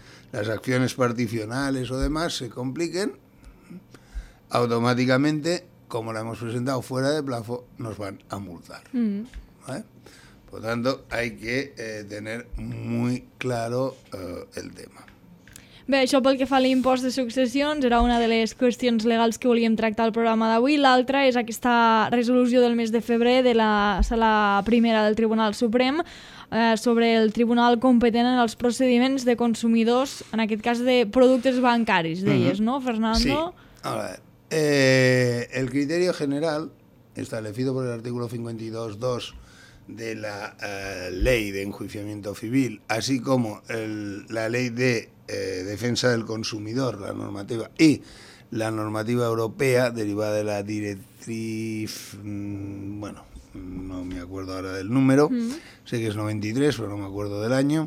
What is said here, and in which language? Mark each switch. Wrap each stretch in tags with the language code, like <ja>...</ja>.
<es>las acciones particionales o demás se compliquen, automáticamente, como la hemos presentado fuera de plazo, nos van a multar. Mm-hmm. ¿Vale? Por tanto, hay que tener muy claro el tema.</es> <ca>Bé, això pel que fa a l'impost de successions era una de les qüestions legals que volíem tractar al programa d'avui. L'altra és aquesta resolució del mes de febrer de la sala primera del Tribunal Suprem sobre el tribunal competent en els procediments de consumidors, en aquest cas de productes bancaris, deies, uh-huh. no, Fernando? Sí.</ca> <es>A ver, el criteri general establecido por el artículo 52.2 de la ley de enjuiciamiento civil, así como la ley de defensa del consumidor, la normativa y la normativa europea derivada de la directriz, bueno, no me acuerdo ahora del número, sé que es 93, pero no me acuerdo del año.</es>